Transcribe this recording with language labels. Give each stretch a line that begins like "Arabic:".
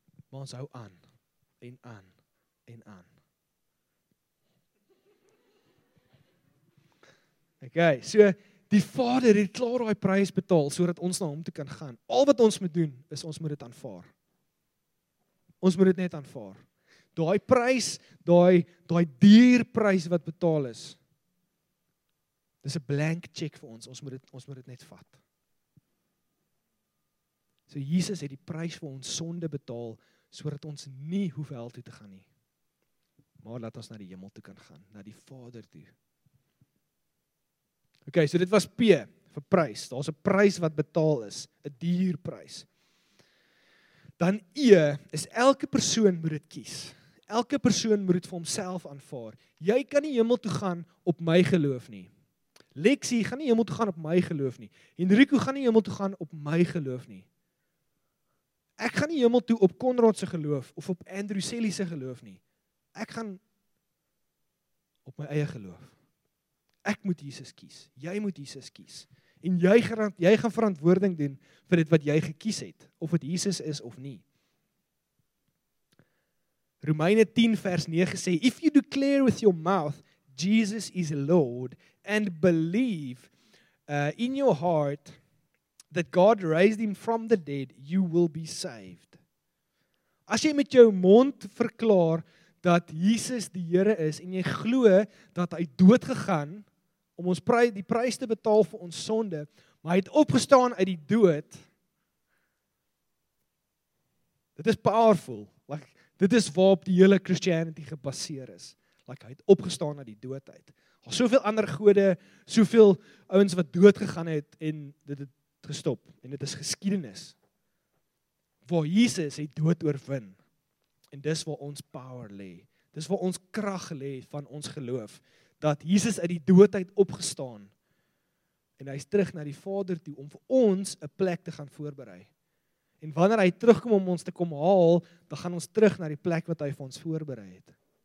Afrikaans: Maar ons hou aan, en aan, en aan. Okay, so die vader het klaar daai prys betaal, sodat ons na hom toe kan gaan. Al wat ons moet doen, is ons moet dit aanvaar. Ons moet dit net aanvaar. Daai prys, daai dier prys wat betaal is, dis 'n blank check vir ons. Ons moet dit net vat. So Jesus het die prys vir ons sonde betaal sodat ons nie hoef hel toe te gaan nie. Maar laat ons na die hemel toe kan gaan, na die Vader toe. Okay, so dit was P vir prys. Daar's 'n prys wat betaal is, 'n duur prys. Dan E is elke persoon moet dit kies. Elke persoon moet dit vir homself aanvaar. Jy kan nie hemel toe gaan op my geloof nie. Lexie gaan nie hemel toe gaan op my geloof nie. Henrico gaan nie hemel toe gaan op my geloof nie. Ek gaan nie hemel toe op Konrad se geloof of op Andrew Selly se geloof nie. Ek gaan op my eie geloof. Ek moet Jesus kies. Jy moet Jesus kies. En jy gaan verantwoording doen vir dit wat jy gekies het, of dit Jesus is of nie. Romeine 10 vers 9 sê,
English: if you declare with your mouth Jesus is Lord and believe in your heart that God raised him from the dead, you will be saved.
Afrikaans: As jy met jou mond verklaar dat Jesus die Here is en jy glo dat hy dood gegaan om ons die prys te betaal vir ons sonde, maar hy het opgestaan uit die dood. Dit is powerful. Like dit is waarop die hele Christianity gebaseer is. Like hy het opgestaan uit die dood uit. Al soveel ander gode, soveel ouens wat dood gegaan het en dit het gestop en dit is geskiedenis. Waar Jesus het dood oorwin. En dis waar ons power lê. Dis waar ons krag lê van ons geloof dat Jesus uit die dood uit opgestaan en hy's terug na die Vader toe om vir ons 'n plek te gaan voorberei. En wanneer hy terugkom om ons te kom haal, dan gaan ons terug na die plek wat hy vir ons voorberei het.